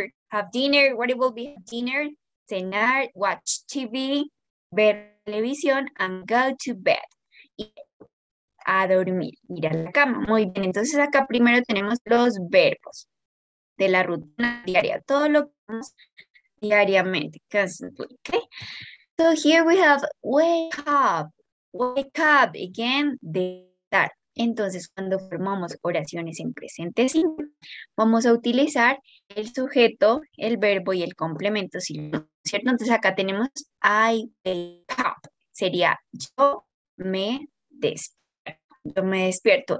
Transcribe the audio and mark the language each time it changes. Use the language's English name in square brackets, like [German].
[English] have dinner, what it will be, dinner, cenar, watch TV, [Spanish] ver televisión, [English] and go to bed, [Spanish] y a dormir, ir a la cama. Muy bien, entonces acá primero tenemos los verbos de la rutina diaria, todo lo que hacemos diariamente, [English] constantly, okay? So here we have wake up, again, [Spanish] de estar. Entonces, cuando formamos oraciones en presente simple, vamos a utilizar el sujeto, el verbo y el complemento, ¿cierto? Entonces, acá tenemos [English] I wake up. [Spanish] Sería yo me despierto. Yo me despierto.